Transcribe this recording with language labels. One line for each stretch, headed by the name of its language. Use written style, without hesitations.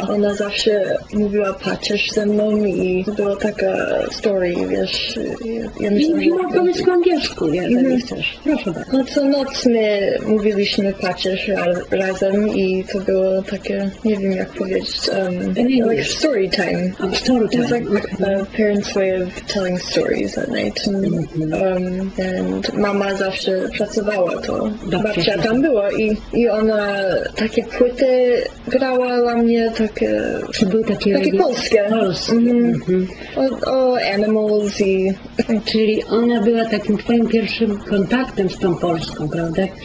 Polish: ona zawsze mówiła, patrzysz ze mną i to była taka story, wiesz. Ja myślę, że... Mówiła to jest po angielsku, jeżeli chcesz. Proszę bardzo. No co noc my mówiliśmy patrzysz razem i to było takie, nie wiem jak powiedzieć,
English: like story time. Oh, story time. It's like parents' way of telling stories at night. And
Polish: mama zawsze pracowała to. Babcia tam była i ona takie płyty grała dla mnie, takie... Czy były takie... Takie polskie. Polskie. O animals i... Czyli ona była takim twoim pierwszym kontaktem z tą Polską, prawda?